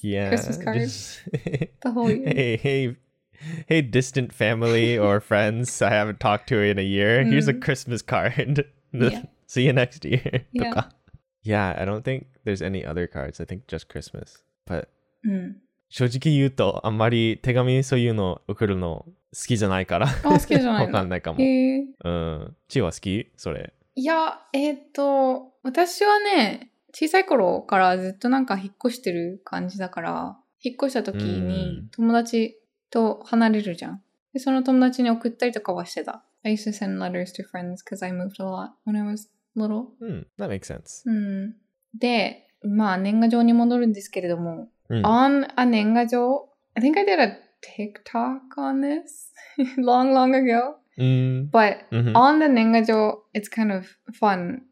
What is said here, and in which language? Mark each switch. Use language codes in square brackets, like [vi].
[en] Yeah. Christmas cards. Just... the whole year. Hey, distant family or friends I haven't talked to in a year. Here's a Christmas card. See you next year. Yeah. Yeah, I don't think there's any other cards. I think just Christmas. But... [ja] 正直言うと、あんまり手紙そういうの送るの好きじゃないから。あ、好きじゃないの。わかんないかも。チーは好き?それ。いや、私はね、小さい頃からずっとなんか引っ越してる感じだから、引っ越した時に友達と離れるじゃん。で、その友達に送ったりとかはしてた。 [en] I used to send letters to friends because I moved a lot when I was little. That makes sense. [ja] で、まあ年賀状に戻るんですけれども、 [en] On a 年賀状, I think I did a TikTok on this long, long ago. But on the 年賀状, it's kind of fun.